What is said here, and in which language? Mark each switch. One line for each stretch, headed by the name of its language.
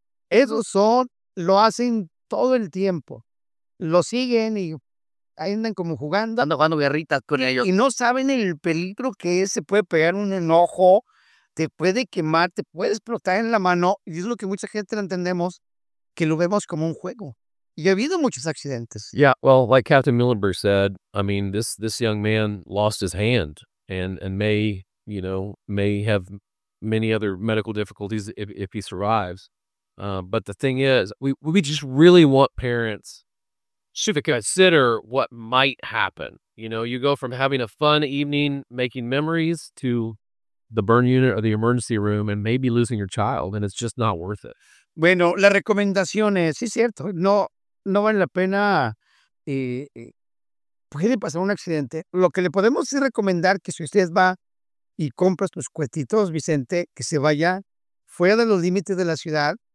Spanish: Esos son, lo hacen todo el tiempo. Lo siguen y ahí andan como jugando. Andan jugando guerritas con ellos. Y no saben el peligro que es. Se puede pegar un enojo, te puede quemar, te puede explotar en la mano. Y es lo que mucha gente no entendemos, que lo vemos como un juego. Y ha habido muchos accidentes.
English: Yeah, well, like Captain Muhlenberg said, I mean, this young man lost his hand and may, you know, may have many other medical difficulties if he survives. But the thing is, we just really want parents to consider what might happen. You know, you go from having a fun evening making memories to the burn unit or the emergency room and maybe losing your child, and it's just not worth it.
Spanish: Bueno, la recomendación es, sí, cierto, no vale la pena, puede pasar un accidente. Lo que le podemos es recomendar que si usted va y compra sus cuetitos, Vicente, que se vaya fuera de los límites de la ciudad.